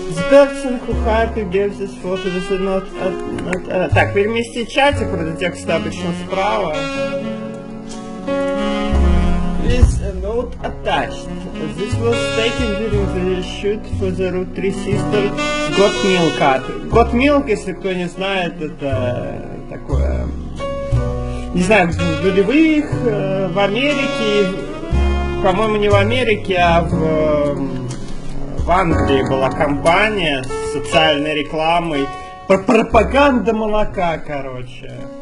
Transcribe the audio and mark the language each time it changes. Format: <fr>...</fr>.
<en>Person who hired you gave this photo, this is not...</en> <ru>Так, переместить чатик, вот этот текст обычно справа.</ru> <en>This note attached. This was taken during the shoot for the Rootree sister Got Milk.</en> <ru>Got Milk, если кто не знает, это такое... не знаю, в нулевых, в Америке, по-моему, не в Америке, а в Англии была компания с социальной рекламой, пропаганда молока, короче.</ru>